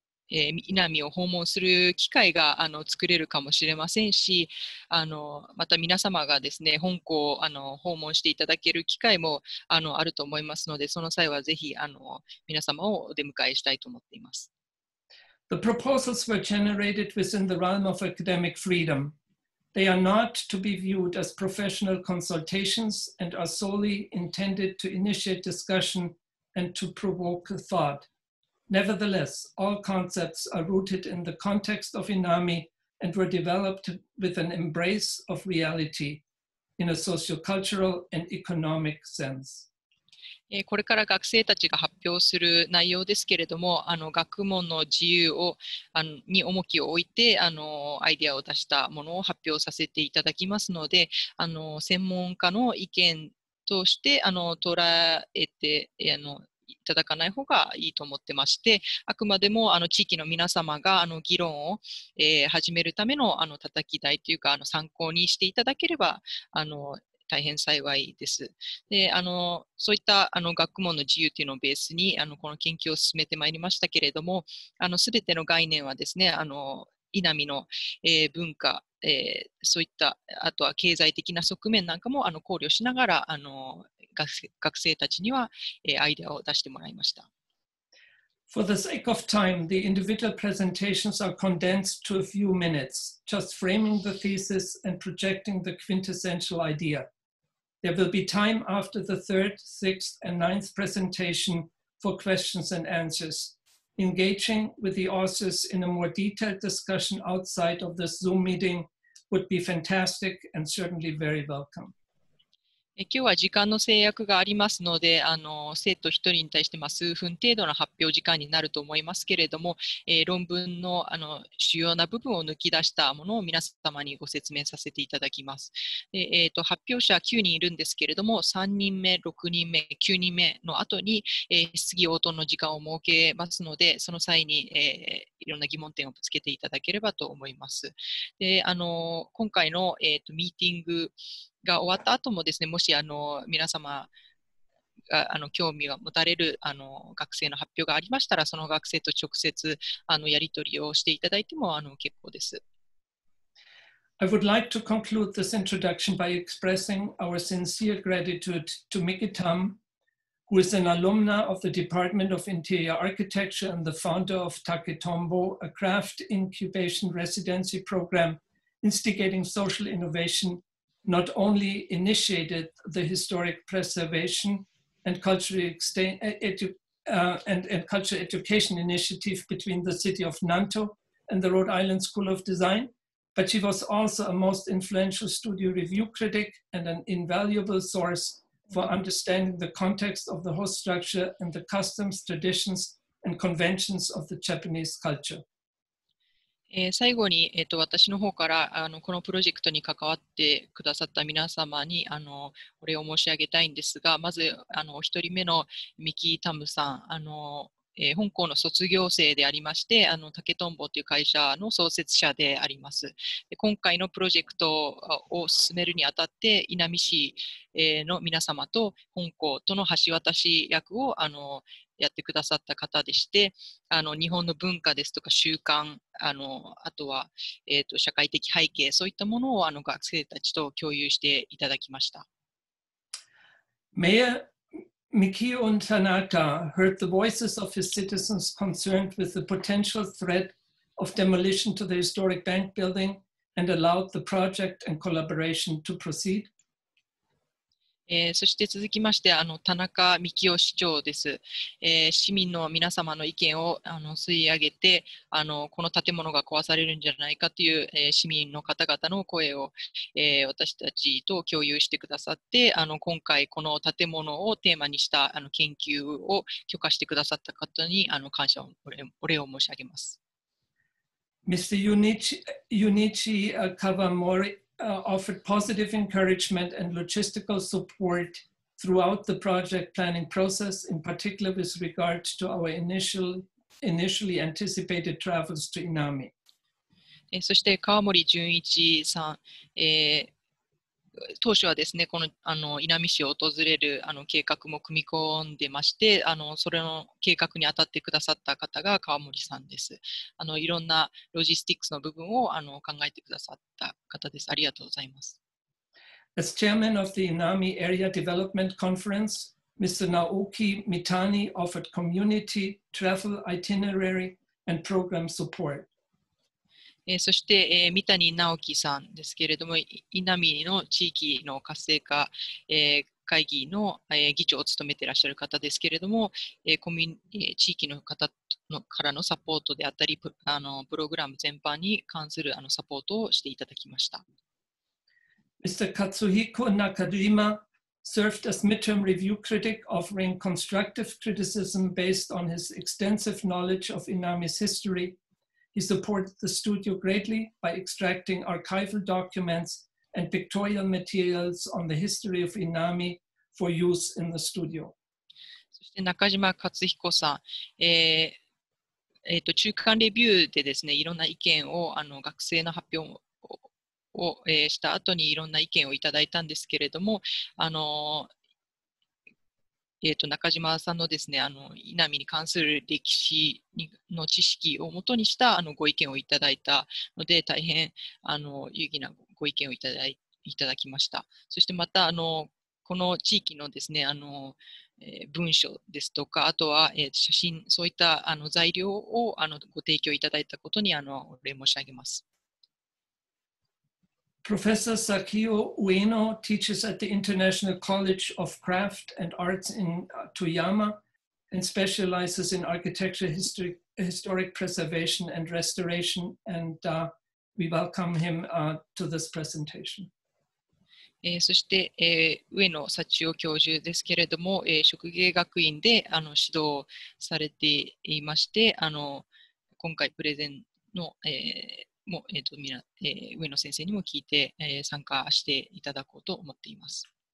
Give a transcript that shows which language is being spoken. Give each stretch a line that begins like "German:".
Japanese: Inami を訪問する機会が作れるかもしれませんし、また皆様がですね、本校を訪問していただける機会もあると思いますので、その際はぜひ皆様をお出迎えしたいと思っています。
English: The proposals were generated within the realm of academic freedom. They are not to be viewed as professional consultations and are solely intended to initiate discussion and to provoke thought. Nevertheless, all concepts are rooted in the context of Inami and were developed with an embrace of reality in a sociocultural and economic sense.
Japanese: これから学生たちが発表する内容ですけれども、学問の自由をに重きを置いてアイデアを出したものを発表させていただきますので、専門家の意見として捉えて、いただかない方がいいと思ってまして、あくまでも地域の皆様が議論を、始めるためのたたき台というか参考にしていただければ大変幸いです。で、そういった学問の自由というのをベースにこの研究を進めてまいりましたけれども、すべての概念はですね、Inamiの、文化、そういったあとは経済的な側面なんかも考慮しながら学生たちには、アイデアを出してもらいました。
English: For the sake of time, the individual presentations are condensed to a few minutes, just framing the thesis and projecting the quintessential idea. There will be time after the third, sixth, and ninth presentation for questions and answers, engaging with the authors in a more detailed discussion outside of this Zoom meeting would be fantastic and certainly very welcome.
Japanese: 今日は時間の制約がありますので、生徒1人に対して数分程度の発表時間になると思いますけれども、論文の主要な部分を抜き出したものを皆様にご説明させていただきます。発表者は9人いるんですけれども、3人目、6人目、9人目の後に、質疑応答の時間を設けますので、その際に、いろんな疑問点をぶつけていただければと思います。で、今回の、ミーティングが終わった後もですね、もし皆様が興味を持たれる学生の発表がありましたら、その学生と直接やり取りをしていただいても結構です。
English: I would like to conclude this introduction by expressing our sincere gratitude to Miki Tam, who is an alumna of the Department of Interior Architecture and the founder of Taketombo, a craft incubation residency program instigating social innovation. Not only initiated the historic preservation and cultural and cultural education initiative between the city of Nanto and the Rhode Island School of Design, but she was also a most influential studio review critic and an invaluable source for understanding the context of the host structure and the customs, traditions, and conventions of the Japanese culture.
Japanese: 最後に、私の方からこのプロジェクトに関わってくださった皆様にお礼を申し上げたいんですが、まず一人目のミキー・タムさん、本校の卒業生でありまして、竹とんぼという会社の創設者であります。今回のプロジェクトを進めるにあたって、Inami市の皆様と本校との橋渡し役をやってくださった方でして、日本の文化ですとか習慣、あとは、社会的背景、そういったものを学生たちと共有していただきました。
English: Mayor Miki und Tanaka heard the voices of his citizens concerned with the potential threat of demolition to the historic bank building and allowed the project and collaboration to proceed.
Japanese: そして続きまして田中美希夫市長です。市民の皆様の意見を吸い上げて、この建物が壊されるんじゃないかという、市民の方々の声を、私たちと共有してくださって、今回この建物をテーマにした研究を許可してくださった方に感謝をお礼を申し上げます。
English: Mr. Yunichi Kawamori offered positive encouragement and logistical support throughout the project planning process, in particular with regard to our initially anticipated travels to Inami.
Japanese: そして川森純一さん、当初はですね、この、あの、稲見市を訪れる、あの、計画も組み込んでまして、あの、それの計画に当たってくださった方が川森さんです。あの、いろんなロジスティックスの部分を、あの、考えてくださった方です。ありがとうございます。
English: As chairman of the Inami Area Development Conference, Mr. Naoki Mitani offered community travel itinerary and program support.
Japanese: そして、三谷直樹さんですけれども、稲見の地域の活性化、会議の、議長を務めていらっしゃる方ですけれども、地域の方のからのサポートであったり、あの、プログラム全般に関するあのサポートをしていただきました。
English: Mr. Katsuhiko Nakajima served as midterm review critic offering constructive criticism based on his extensive knowledge of Inami's history. He supported the studio greatly by extracting archival documents and pictorial materials on the history of Inami for use in the studio.
Japanese: そして中島勝彦さん、中間レビューでですね、いろんな意見を、あの、学生の発表を、した後にいろんな意見をいただいたんですけれども、あの、中島さんのですね、あの、稲見に関する歴史の知識をもとにした、あの、ご意見をいただいたので、大変、あの、有意義なご意見をいただきました。そしてまた、あの、この地域のですね、あの、文書ですとか、あとは、写真、そういった、あの、材料を、あの、ご提供いただいたことに、あの、お礼申し上げます。
English: Professor Sakio Ueno teaches at the International College of Craft and Arts in Toyama and specializes in architecture, historic preservation and restoration. And we welcome him to this presentation.
Japanese: そして、上野幸男教授ですけれども、職芸学院で、あの、指導されていまして、あの、今回プレゼンの、もう、上野先生にも聞いて、参加していただこうと思っています。